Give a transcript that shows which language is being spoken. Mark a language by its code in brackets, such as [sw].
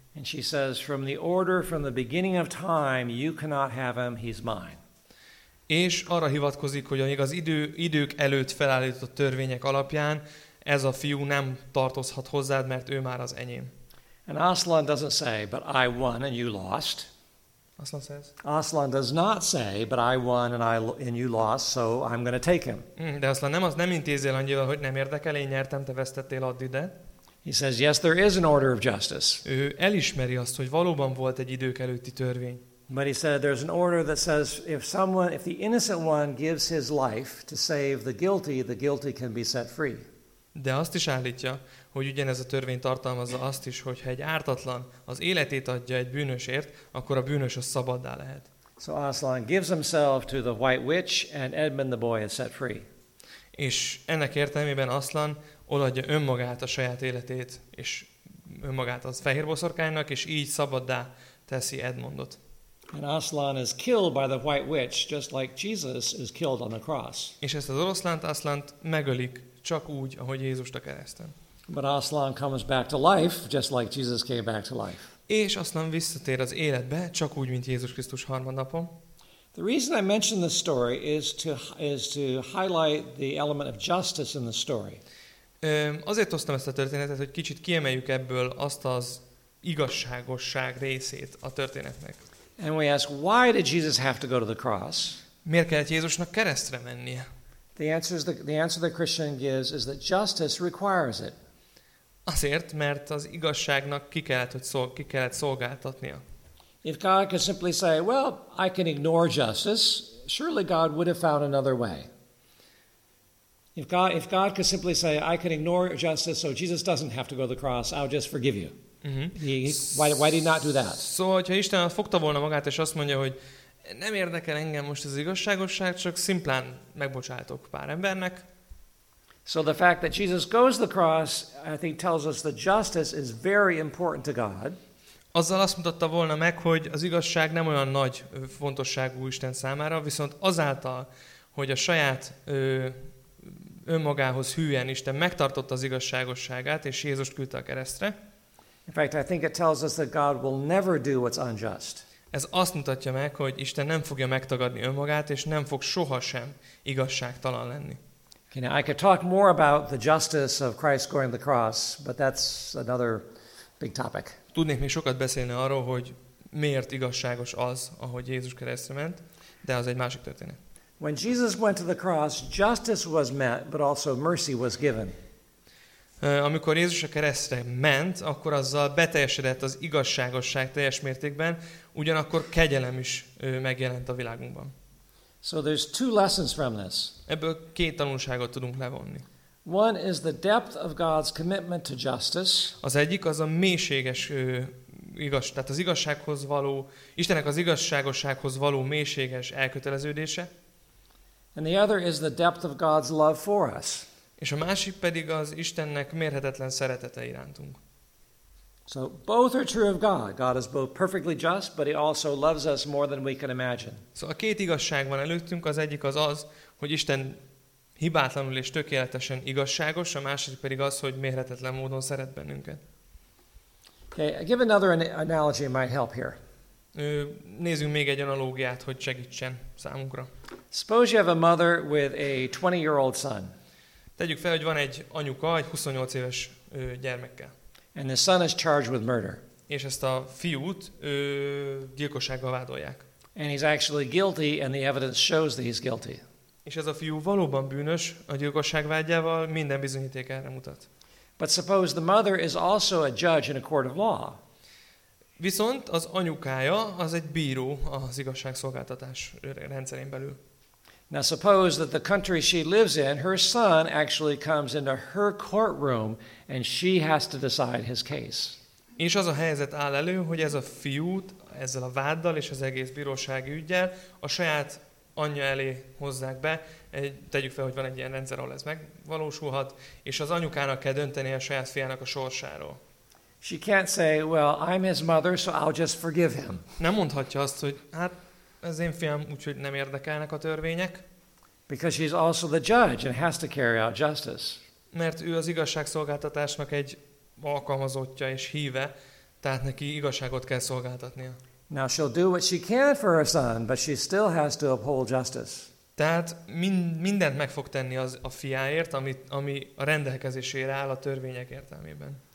[en] And she says, from the order, from the beginning of time, you cannot have him, he's mine. [hu] És arra hivatkozik, hogy amíg az idők előtt felállított törvények alapján ez a fiú nem tartozhat hozzád, mert ő már az enyém. [en] And Aslan doesn't say, but I won and you lost. Aslan says. Aslan does not say, but I won and you lost, so I'm going to take him. [hu] De Aslan nem intézi el annyival, hogy nem érdekel, én nyertem, te vesztettél, add ide. [en] He says, yes, there is an order of justice. [hu] Ő elismeri azt, hogy valóban volt egy idők előtti törvény. [en] But he said, there's an order that says, if the innocent one gives his life to save the guilty can be set free. [hu] De azt is állítja, hogy ugyanez a törvény tartalmazza azt is, hogy ha egy ártatlan az életét adja egy bűnösért, akkor a bűnös az szabaddá lehet. [en] So Aslan gives himself to the White Witch, and Edmund the boy is set free. [hu] És ennek értelmében Aslan odaadja önmagát, a saját életét, és önmagát az fehér boszorkánynak, és így szabaddá teszi Edmundot. [en] And Aslan is killed by the White Witch, just like Jesus is killed on the cross. [hu] És ezt az oroszlánt, Aslant megölik, csak úgy, ahogy Jézust a kereszten. [en] But Aslan comes back to life, just like Jesus came back to life. [hu] És Aslan visszatér az életbe, csak úgy, mint Jézus Krisztus harmadnapon. [en] The reason I mention this story is to highlight the element of justice in the story. [hu] Azért hoztam ezt a történetet, hogy kicsit kiemeljük ebből azt az igazságosság részét a történetnek. [en] And we ask, why did Jesus have to go to the cross? [hu] Miért kellett Jézusnak keresztre mennie? [en] The answer the Christian gives is that justice requires it. [hu] Azért, mert az igazságnak ki kellett szolgáltatnia. [en] If God could simply say, well, I can ignore justice, surely God would have found another way. If God could simply say, I can ignore justice, so Jesus doesn't have to go to the cross, I'll just forgive you. Why did he not do that? [hu] Szóval, hogyha Isten fogta volna magát, és azt mondja, hogy nem érdekel engem most az igazságosság, csak szimplán megbocsátok pár embernek. [en] So the fact that Jesus goes to the cross, I think tells us that justice is very important to God. [hu] Azzal azt mutatta volna meg, hogy az igazság nem olyan nagy fontosságú Isten számára, viszont azáltal, hogy a saját önmagához hűen Isten megtartotta az igazságosságát, és Jézust küldte a keresztre. [en] In fact, I think it tells us that God will never do what's unjust. [hu] Ez azt mutatja meg, hogy Isten nem fogja megtagadni önmagát, és nem fog sohasem igazságtalan lenni. [en] Okay, now I could talk more about the justice of Christ going to the cross, but that's another Big topic. [hu] Tudnék még sokat beszélni arról, hogy miért igazságos az, ahogy Jézus keresztre ment, de az egy másik történet. [en] When Jesus went to the cross, justice was met, but also mercy was given. [hu] Amikor Jézus a keresztre ment, akkor azzal beteljesedett az igazságosság teljes mértékben, ugyanakkor kegyelem is megjelent a világunkban. [en] So there's two lessons from this. [hu] Ebből két tanulságot tudunk levonni. [en] One is the depth of God's commitment to justice. [hu] Az egyik az a mélységes tehát az igazsághoz való, Istennek az igazságossághoz való mélységes elköteleződése. [en] And the other is the depth of God's love for us. [hu] És a másik pedig az Istennek mérhetetlen szeretete irántunk. [en] So both are true of God. God is both perfectly just, but he also loves us more than we can imagine. [hu] Szóval a két igazság van előttünk, az egyik az az, hogy Isten hibátlanul és tökéletesen igazságos, a másik pedig az, hogy mérhetetlen módon szeret bennünket. [en] Okay, I give another analogy might help here. [hu] Nézzünk még egy analógiát, hogy segítsen számunkra. [en] Suppose you have a mother with a 20-year-old son. [hu] Tegyük fel, hogy van egy anyuka egy 28 éves gyermekkel. [en] And the son is charged with murder. [hu] És ezt a fiút gyilkossággal vádolják. [en] And he's actually guilty and the evidence shows that he's guilty. [hu] És ez a fiú valóban bűnös, a gyilkosság vádjával minden bizonyíték erre mutat. [en] But suppose the mother is also a judge in a court of law. [hu] Viszont az anyukája az egy bíró az igazságszolgáltatás rendszerén belül. [en] Now suppose that the country she lives in, her son actually comes into her courtroom and she has to decide his case. [hu] És az a helyzet áll elő, hogy ez a fiút ezzel a váddal és az egész bírósági üggyel a saját anyja elé hozzák be, tegyük fel, hogy van egy ilyen rendszer, ahol ez megvalósulhat, és az anyukának kell dönteni a saját fiának a sorsáról. [en] She can't say, well, I'm his mother, so I'll just forgive him. [hu] Nem mondhatja azt, hogy hát ez én fiam, úgyhogy nem érdekelnek a törvények. [en] Because she's also the judge and has to carry out justice. [hu] Mert ő az igazságszolgáltatásnak egy alkalmazottja és híve, tehát neki igazságot kell szolgáltatnia. [en] Now she'll do what she can for her son, but she still has to uphold justice. [hu] Tehát mindent meg fog tenni az a fiáért, ami a rendelkezésére áll a törvények értelmében.